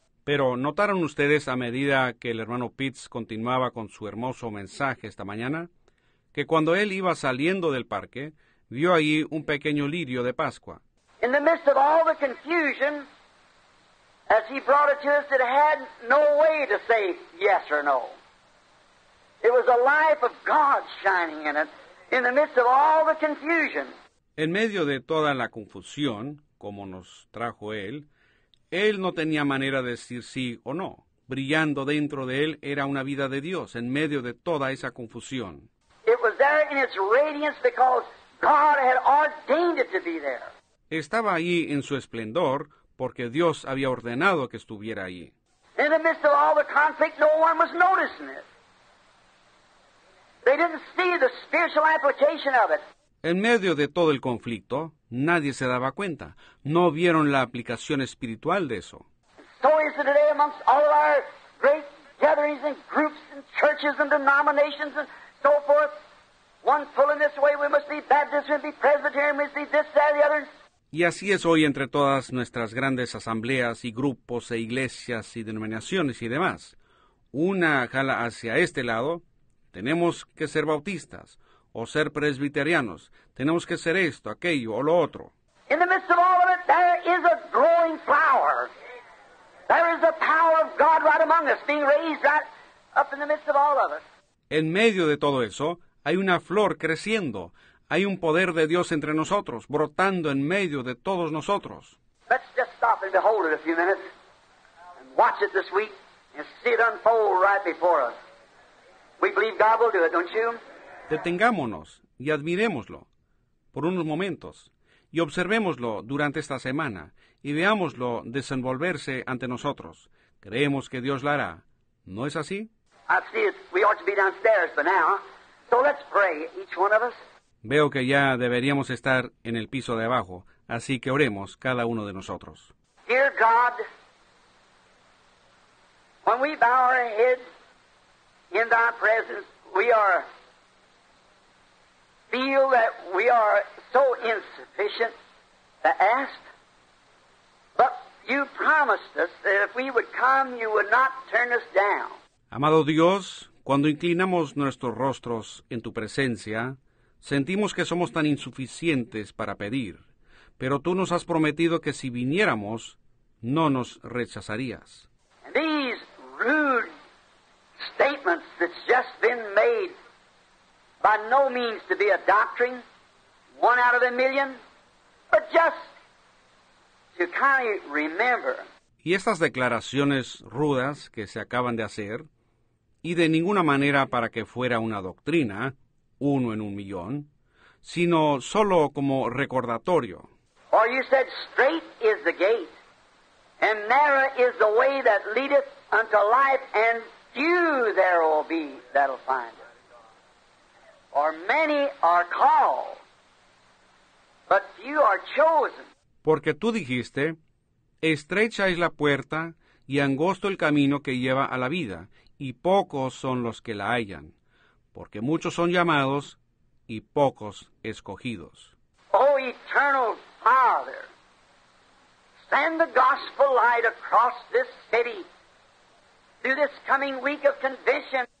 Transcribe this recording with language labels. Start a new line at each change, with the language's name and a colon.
Spanish: Pero notaron ustedes, a medida que el hermano Pitts continuaba con su hermoso mensaje esta mañana, que cuando él iba saliendo del parque, vio allí un pequeño lirio de Pascua.
English: In the midst of all the confusion, as he brought it to us, it had no way to say yes or no. It was a life of God shining in it, in the midst of all the confusion.
Spanish: En medio de toda la confusión, como nos trajo él, él no tenía manera de decir sí o no. Brillando dentro de él era una vida de Dios en medio de toda esa confusión.
English: It was there in its radiance because God had ordained it to be there.
Spanish: Estaba ahí en su esplendor porque Dios había ordenado que estuviera ahí.
English: In the midst of all the conflict, no one was noticing it. They didn't see the spiritual application of it.
Spanish: En medio de todo el conflicto, nadie se daba cuenta. No vieron la aplicación espiritual de eso.
English: So is it today amongst all of our great gatherings and groups and churches and denominations and so forth. One pulling this way, we must be Baptist, we must be Presbyterian, we must be this, that, the other.
Spanish: Y así es hoy entre todas nuestras grandes asambleas y grupos e iglesias y denominaciones y demás. Una jala hacia este lado, tenemos que ser bautistas o ser presbiterianos. Tenemos que ser esto, aquello o lo otro.
English: In the midst of all of it, there is a growing flower. There is the power of God right among us, being raised right up in the midst of all of it.
Spanish: En medio de todo eso, hay una flor creciendo. Hay un poder de Dios entre nosotros, brotando en medio de todos nosotros.
English: Let's just stop and behold it a few minutes and watch it this week and see it unfold right before us. We believe God will do it, don't you?
Spanish: Detengámonos y admirémoslo por unos momentos y observémoslo durante esta semana y veámoslo desenvolverse ante nosotros. Creemos que Dios lo hará. ¿No es así?
English: I see it. We ought to be downstairs by now. So let's pray, each one of us.
Spanish: Veo que ya deberíamos estar en el piso de abajo, así que oremos cada uno de nosotros.
English: Dear God, when we bow our heads in thy presence, feel that we are so insufficient to ask, but you promised us that if we would come, you would not turn us down.
Spanish: Amado Dios, cuando inclinamos nuestros rostros en tu presencia, sentimos que somos tan insuficientes para pedir, pero tú nos has prometido que si viniéramos, no nos rechazarías.
English: These rude statements that's just been made, by no means to be a doctrine, one out of a million, but just to kindly remember.
Spanish: Y estas declaraciones rudas que se acaban de hacer, y de ninguna manera para que fuera una doctrina, uno en un millón, sino solo como recordatorio.
English: For you said, straight is the gate, and narrow is the way that leadeth unto life, and few there will be that'll find it. For many are called, but few are chosen.
Spanish: Porque tú dijiste, estrecha es la puerta, y angosto el camino que lleva a la vida, y pocos son los que la hallan. Porque muchos son llamados y pocos escogidos.
English: Oh, eternal Father, send the gospel light across this city through this coming week of convention.